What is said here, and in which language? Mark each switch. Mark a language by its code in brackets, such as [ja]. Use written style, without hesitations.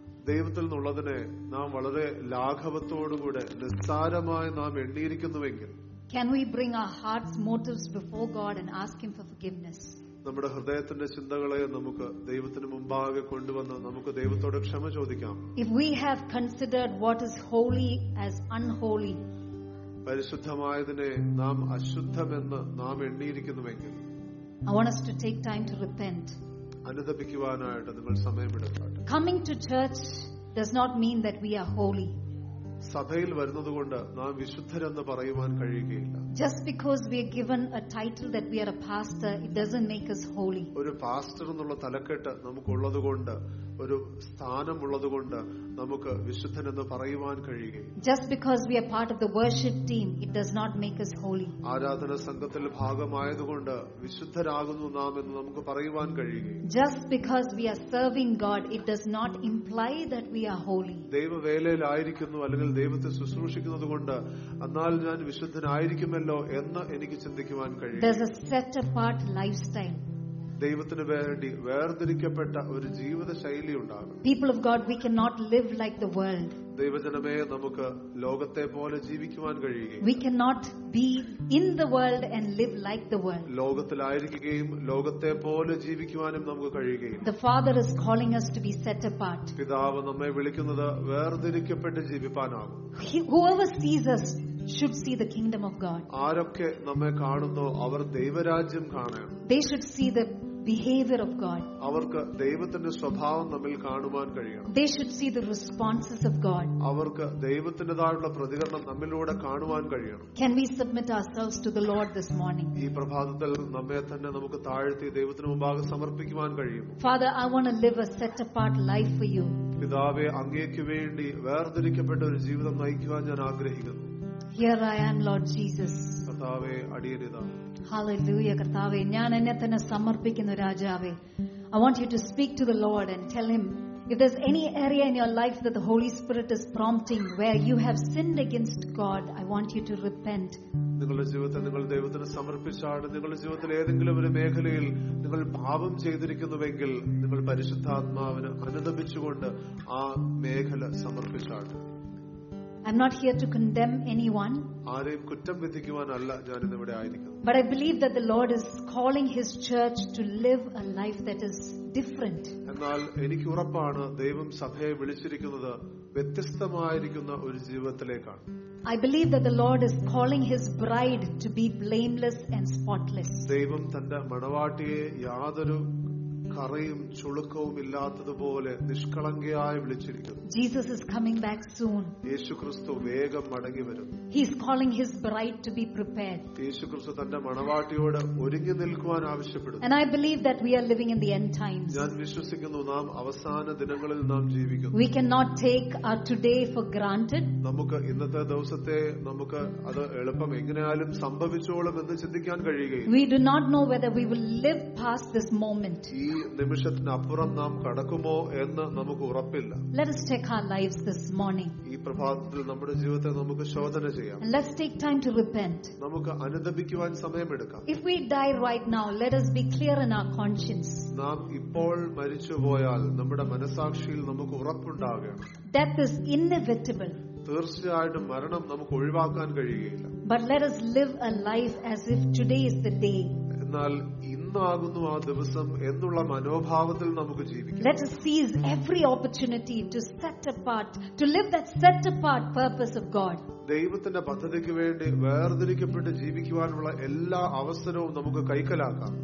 [ml] ദൈവത്തിൽ നിന്നുള്ളതിനെ നാം വളരെ ലാഘവത്തോടുകൂടെ നിസ്സാരമായി നാം എണ്ണിയിരിക്കുന്നുവെങ്കിൽ, [en] Can we bring our hearts motives before God and ask him for forgiveness? [ml] നമ്മുടെ ഹൃദയത്തിന്റെ ചിന്തകളെ നമുക്ക് ദൈവത്തിന് മുമ്പാകെ കൊണ്ടുവന്ന് നമുക്ക് ദൈവത്തോട് ക്ഷമ ചോദിക്കാം. [en] If we have considered what is holy as unholy, [ml] പരിശുദ്ധമായതിനെ നാം അശുദ്ധമെന്ന് നാം എണ്ണിയിരിക്കുന്നുവെങ്കിൽ, [en] I want us to take time to repent. [ml] അനുതപിക്കുവാനായിട്ട് നിങ്ങൾ സമയമെടുക്കട്ടെ. [en] Coming to church does not mean that we are holy. [ml] സഭയിൽ വരുന്നതുകൊണ്ട് നാം വിശുദ്ധരെന്ന് പറയുവാൻ കഴിയുകയില്ല. [en] Just because we are given a title that we are a pastor, it doesn't make us holy. [ml] ഒരു pastor എന്നുള്ള തലക്കെട്ട് നമുക്കുള്ളതുകൊണ്ട്, ഒരു സ്ഥാനം ഉള്ളതുകൊണ്ട് നമുക്ക് വിശുദ്ധൻ എന്ന് പറയുവാൻ കഴിയുകയില്ല. [en] Just because we are part of the worship team, it does not make us holy. [ml] ആരാധന സംഘത്തിൽ ഭാഗമായതുകൊണ്ട് വിശുദ്ധരാകുന്നു നാം എന്ന് നമുക്ക് പറയുവാൻ കഴിയുകയില്ല. [en] Just because we are serving God, it does not imply that we are holy. [ml] ദൈവവേലയിലായിരിക്കുന്നു അല്ലെങ്കിൽ ദൈവത്തെ ശുശ്രൂഷിക്കുന്നതുകൊണ്ട് എന്നാൽ ഞാൻ വിശുദ്ധനായിരിക്കുമല്ലോ എന്ന് എനിക്ക് ചിന്തിക്കുവാൻ കഴിയും. [en] There's a set apart lifestyle. [ml] ദൈവത്തിന് വേണ്ടി വേർതിരിക്കപ്പെട്ട ഒരു ജീവിത ശൈലി ഉണ്ടാകും. [en] People of God, we cannot live like the world. [ml] ദൈവജനമേ, നമുക്ക് ലോകത്തെ പോലെ ജീവിക്കുവാൻ കഴിയില്ല. [en] We cannot be in the world and live like the world. [ml] ലോകത്തിലായിരിക്കുകയും ലോകത്തെ പോലെ ജീവിക്കുവാനും നമുക്ക് കഴിയില്ല. [en] The Father is calling us to be set apart. [ml] പിതാവ് നമ്മെ വിളിക്കുന്നത് വേർതിരിക്കപ്പെട്ട് ജീവിപ്പാനാകും. [en] Whoever sees us should see the kingdom of God. [ml] ആരൊക്കെ നമ്മെ കാണുന്നു അവർ ദൈവരാജ്യം കാണണം. [en] They should see the behavior of God. [ml] അവർക്ക് ദൈവത്തിന്റെ സ്വഭാവം നമ്മിൽ കാണുവാൻ കഴിയണം. [en] They should see the responses of God. [ml] അവർക്ക് ദൈവത്തിന്റേതായുള്ള പ്രതികരണം നമ്മിലൂടെ കാണുവാൻ കഴിയണം. [en] Can we submit ourselves to the Lord this morning? [ml] ഈ പ്രഭാതത്തിൽ നമ്മെ തന്നെ നമുക്ക് താഴ്ത്തി ദൈവത്തിന് മുമ്പാകെ സമർപ്പിക്കുവാൻ കഴിയുമോ? [en] Father, I want to live a set apart life for you. [ml] പിതാവേ, അങ്ങേയ്ക്ക് വേണ്ടി വേർതിരിക്കപ്പെട്ട ഒരു ജീവിതം നയിക്കുവാൻ ഞാൻ ആഗ്രഹിക്കുന്നു. [en] Here I am, Lord Jesus. [ml] കർത്താവേ, അടിയരിതാ. Hallelujah, കർത്താവേ, ഞാൻ എന്നെ തന്നെ സമർപ്പിക്കുന്നു രാജാവേ. [en] I want you to speak to the Lord and tell him if there's any area in your life that the Holy Spirit is prompting where you have sinned against God, I want you to repent. [ml] നിങ്ങളുടെ ജീവിതത്തെ നിങ്ങൾ ദൈവത്തിന് സമർപ്പിച്ചാണ്. നിങ്ങളുടെ ജീവിതത്തിലെ ഏതെങ്കിലും ഒരു മേഖലയിൽ നിങ്ങൾ പാപം ചെയ്തിരിക്കുന്നുവെങ്കിൽ നിങ്ങൾ പരിശുദ്ധാത്മാവിനെ അനുദപിച്ചുകൊണ്ട് ആ മേഖല സമർപ്പിച്ചാണ്. [en] I'm not here to condemn anyone. [ml] ആരെയും കുറ്റം വിധിക്കുവാനല്ല ഞാൻ ഇവിടെ ആയിരിക്കുന്നത്. [en] But I believe that the Lord is calling his church to live a life that is different. [ml] എന്നാൽ എനിക്ക് ഉറപ്പാണ് ദൈവം സഭയെ വിളിച്ചിരിക്കുന്നത് വ്യത്യസ്തമായിരിക്കുന്ന ഒരു ജീവിതത്തിലേക്കാണ്. [en] I believe that the Lord is calling his bride to be blameless and spotless. [ml] ദൈവം തന്റെ മണവാട്ടിയെ യാതൊരു കറയും ചുളുക്കവും ഇല്ലാത്തതുപോലെ നിഷ്കളങ്കയായി വിളിച്ചിരിക്കുന്നു. [en] Jesus is coming back soon. [ml] യേശുക്രിസ്തു വേഗം മടങ്ങി വരും. [en] He is calling his bride to be prepared. [ml] യേശുക്രിസ്തു തന്റെ മണവാട്ടിയോട് ഒരുങ്ങി നിൽക്കുവാൻ ആവശ്യപ്പെടുന്നു. [en] And I believe that we are living in the end times. [ml] ഞാൻ വിശ്വസിക്കുന്നു നാം അവസാന ദിനങ്ങളിൽ നാം ജീവിക്കുന്നു. [en] We cannot take our today for granted. [ml] നമുക്ക് ഇന്നത്തെ ദിവസത്തെ നമുക്ക് അത് എളുപ്പം എങ്ങനെയാലും സംഭവിച്ചോളും എന്ന് ചിന്തിക്കാൻ കഴിയുകയില്ല. [en] We do not know whether we will live past this moment. [ml] നിമിഷത്തിനപ്പുറം നാം കടക്കുമോ എന്ന് നമുക്ക് ഉറപ്പില്ല. [en] Let's take our lives this morning. [ml] ഈ പ്രഭാതത്തിൽ നമ്മുടെ ജീവിതത്തെ നമുക്ക് ശോധന ചെയ്യാം. [en] Let's take time to repent. [ml] നമുക്ക് അനുതപിക്കുവാൻ സമയമെടുക്കാം. [en] If we die right now, let us be clear in our conscience. [ml] നാം ഇപ്പോൾ മരിച്ചു പോയാൽ നമ്മുടെ മനസാക്ഷിയിൽ നമുക്ക് ഉറപ്പുണ്ടാകണം. [en] Death is inevitable. [ml] തീർച്ചയായിട്ടും മരണം നമുക്ക് ഒഴിവാക്കാൻ കഴിയുകയില്ല. [en] But let us live a life as if today is the day. [ml] എന്നാൽ ഇന്നാകുന്നു ആ ദിവസം എന്നുള്ള മനോഭാവത്തിൽ നമുക്ക് ജീവിക്കാം. [en] Let us seize every opportunity to set apart, to live that set apart purpose of God. [ml] ദൈവത്തിന്റെ പദ്ധതിക്ക് വേണ്ടി വേർതിരിക്കപ്പെട്ട് ജീവിക്കുവാനുള്ള എല്ലാ അവസരവും നമുക്ക് കൈക്കലാക്കാം.